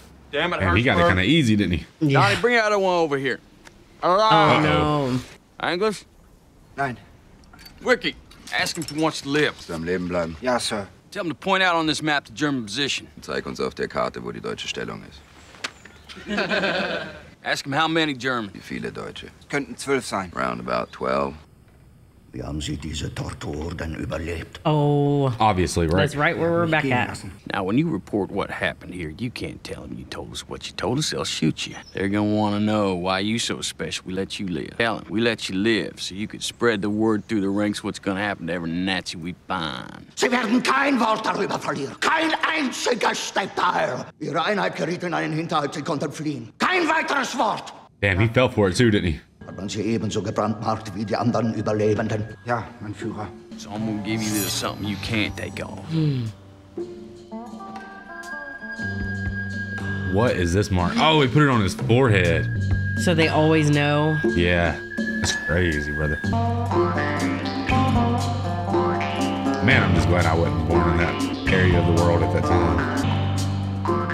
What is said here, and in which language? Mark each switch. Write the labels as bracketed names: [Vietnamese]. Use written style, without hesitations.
[English] Damn it, man, he got it kind of easy, didn't he? Yeah. Donnie, bring out a one over here. Oh, no. English? Nine. Wiki, ask him to watch the lips. [German] Am Leben bleiben. [English] Yeah, sir. Tell him to point out on this map the German position. [German] Zeig uns auf der Karte, wo die deutsche Stellung ist. [English] Ask him how many German. [German] Wie viele Deutsche? Könnten 12 sein. [English] Round about 12. [German] Wie haben Sie diese Tortur denn überlebt? [English] Oh. Obviously, right? That's right where we're back at. Now, when you report what happened here, you can't tell them you told us what you told us. They'll shoot you. They're gonna want to know why you so special. We let you live. Tell them we let you live so you could spread the word through the ranks what's gonna happen to every Nazi we find. [German] Sie werden kein Wort darüber verlieren. Kein einziger Stepteil. Ihre Einheit geriet in einen Hinterhalt. Sie konnten fliehen. Kein weiteres Wort. [English] Damn, he fell for it too, didn't he? [German] Haben Sie ebenso gebrandmarkt wie die anderen Überlebenden? Ja, mein Führer. [English] So I'm gonna give you this something you can't take off. What is this mark? Oh, he put it on his forehead. So they always know? Yeah. That's crazy, brother. Man, I'm just glad I wasn't born in that area of the world at that time.